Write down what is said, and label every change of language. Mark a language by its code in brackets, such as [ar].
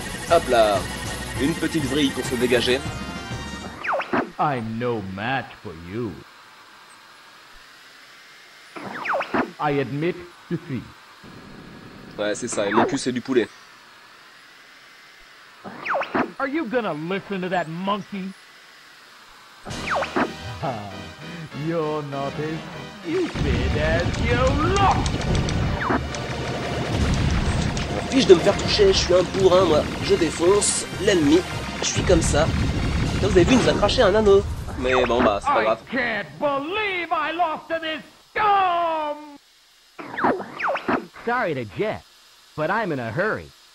[fr] Hop là, une petite vrille pour se dégager. [en] I'm no match for you. I admit defeat. [fr] Ouais, c'est ça, et mon cul c'est du poulet. [en] Are you gonna listen to that monkey? You're not as stupid as you look. [fr] Fiche de me faire toucher, je suis un bourrin moi, je défonce l'ennemi, je suis comme ça. Là, vous avez vu, il nous a craché un anneau. Mais bon bah c'est pas grave. [en] I can't believe I lost to this scum. Sorry to jet, but I'm in a hurry.